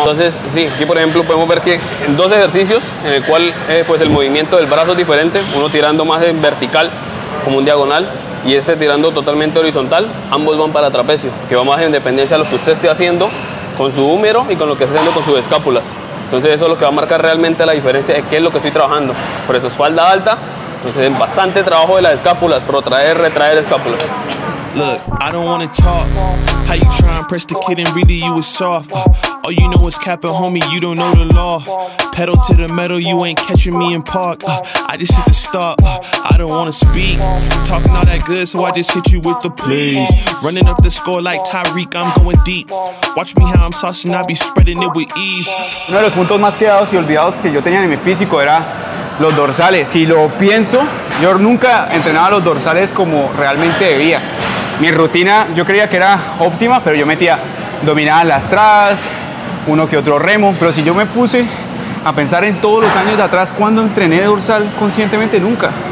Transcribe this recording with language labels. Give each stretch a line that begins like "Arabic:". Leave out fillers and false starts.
Spanish: Entonces, sí, aquí por ejemplo podemos ver que en dos ejercicios, en el cual pues el movimiento del brazo es diferente, uno tirando más en vertical, como un diagonal, y ese tirando totalmente horizontal, ambos van para trapecio, que va más en dependencia de lo que usted esté haciendo con su húmero y con lo que esté haciendo con sus escápulas. Entonces eso es lo que va a marcar realmente la diferencia de qué es lo que estoy trabajando. Por eso espalda alta, entonces es bastante trabajo de las escápulas, protraer, retraer escápulas.
English: Look, I don't wanna talk. How you try and press the kid and really you was soft. All you know is capping, homie, you don't know the law. Pedal to the metal, you ain't catching me in park. I just hit the stop, I don't wanna speak. Talking all that good, so I just hit you with the please. Running up the score like Tyreek, I'm going deep. Watch me how I'm saucing, I be spreading it with ease.
Spanish: Uno de los puntos más quedados y olvidados que yo tenía en mi físico era los dorsales. Si lo pienso, yo nunca entrenaba los dorsales como realmente debía. Mi rutina yo creía que era óptima, pero yo metía dominadas lastradas, uno que otro remo. Pero si yo me puse a pensar en todos los años de atrás, ¿cuándo entrené dorsal conscientemente? Nunca.